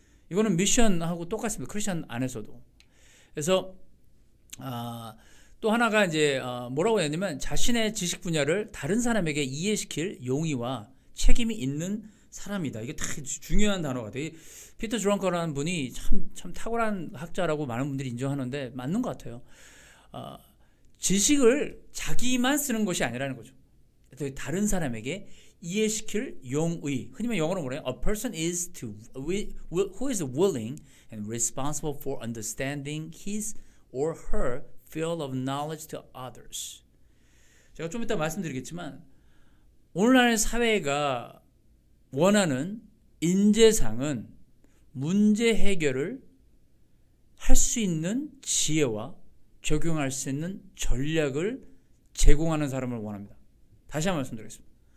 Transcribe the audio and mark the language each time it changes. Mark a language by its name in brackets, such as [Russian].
[Korean] 이거는 미션하고 똑같습니다. 크리스천 안에서도. 그래서 또 하나가 이제 뭐라고 해야 되냐면 자신의 지식 분야를 다른 사람에게 이해시킬 용의와 책임이 있는 사람이다. 이게 되게 중요한 단어가 돼. 피터 드렁커라는 분이 참 탁월한 학자라고 많은 분들이 인정하는데 맞는 것 같아요. 지식을 자기만 쓰는 것이 아니라는 거죠. 다른 사람에게 이해시킬 용의. 흔히 영어로 뭐래요? [English] A person is to who is willing and responsible for understanding his or her field of knowledge to others. [Korean] 제가 좀 이따 말씀드리겠지만 오늘날 사회가 원하는 인재상은 문제 해결을 할 수 있는 지혜와 적용할 수 있는 전략을 제공하는 사람을 원합니다. 다시 한번 말씀드리겠습니다.